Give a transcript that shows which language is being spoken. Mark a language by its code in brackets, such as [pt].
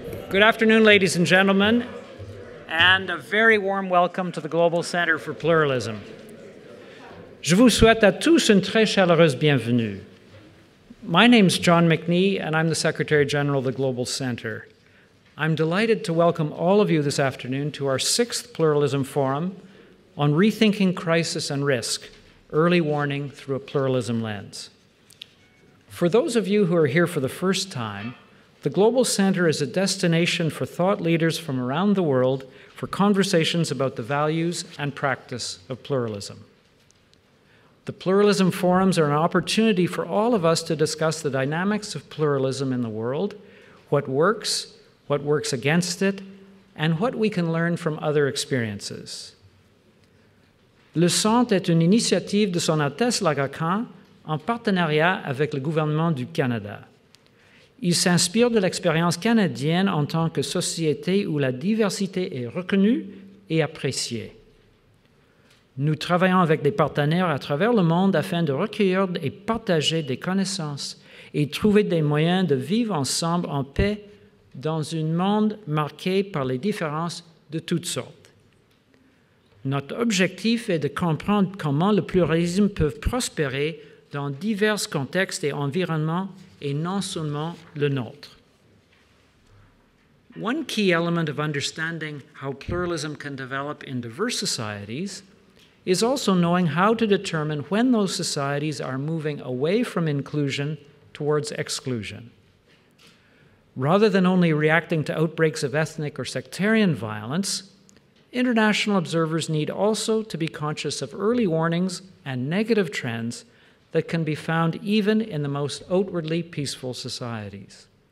[en] Good afternoon, ladies and gentlemen, and a very warm welcome to the Global Center for Pluralism. [fr] Je vous souhaite à tous une très chaleureuse bienvenue. [en] My name is John McNee, and I'm the Secretary General of the Global Center. I'm delighted to welcome all of you this afternoon to our sixth Pluralism Forum on Rethinking Crisis and Risk, Early Warning Through a Pluralism Lens. For those of you who are here for the first time, the Global Center is a destination for thought leaders from around the world for conversations about the values and practice of pluralism. The Pluralism Forums are an opportunity for all of us to discuss the dynamics of pluralism in the world, what works against it, and what we can learn from other experiences. [fr] Le Centre est une initiative de Son Altesse Lagacan en partenariat avec le gouvernement du Canada. Il s'inspire de l'expérience canadienne en tant que société où la diversité est reconnue et appréciée. Nous travaillons avec des partenaires à travers le monde afin de recueillir et partager des connaissances et trouver des moyens de vivre ensemble en paix dans un monde marqué par les différences de toutes sortes. Notre objectif est de comprendre comment le pluralisme peut prospérer dans divers contextes et environnements et non seulement le nôtre. [en] One key element of understanding how pluralism can develop in diverse societies is also knowing how to determine when those societies are moving away from inclusion towards exclusion. Rather than only reacting to outbreaks of ethnic or sectarian violence, international observers need also to be conscious of early warnings and negative trends that can be found even in the most outwardly peaceful societies.